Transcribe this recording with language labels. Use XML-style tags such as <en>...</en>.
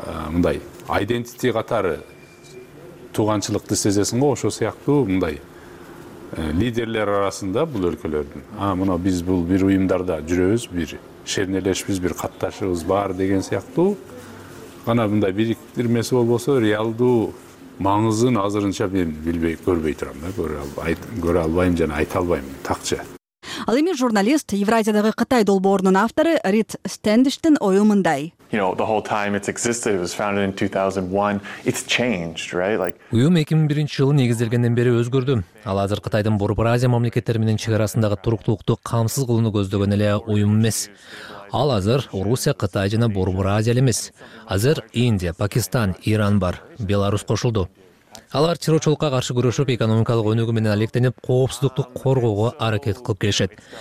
<ky>мындай айдентити катары тууганчылыкты сезесиң го, ошол сыяктуу мындай лидерлер арасында бул өлкөлөрдүн мына биз бул бир уюмдарда жүрөбүз, бир шернелешибиз, бир катташыбыз бар деген сыяктуу гана мындай бириктирмеси болбосо реалдуу маңызын азырынча мен билбей көрбөй турам да, көрө албайм жана айта албайм такча. Ал эми журналист, Евразиядагы Кытай долбоорунун автору Рид Стендиштин ою мындай.</ky> <en>You know, the whole time it's existed, it was founded in 2001, it's changed, right? Like</en> <ky>уюм 2001 жылы негизделгенден бери өзгөрдү. Ал азыр Кытайдын Борбор Азия мамлекеттери менен чек арасындагы туруктуулукту камсыз кылууну көздөгөн эле уюм эмес. Ал азыр Орусия, Кытай жана Борбор Азия эмес. Азыр Индия, Пакистан, Иран бар, Беларусь кошулду. Алар террорчулукка каршы күрөшүп, экономикалык өнүгү менен алектенип, коопсуздукту коргоого аракет кылып келишет.</ky>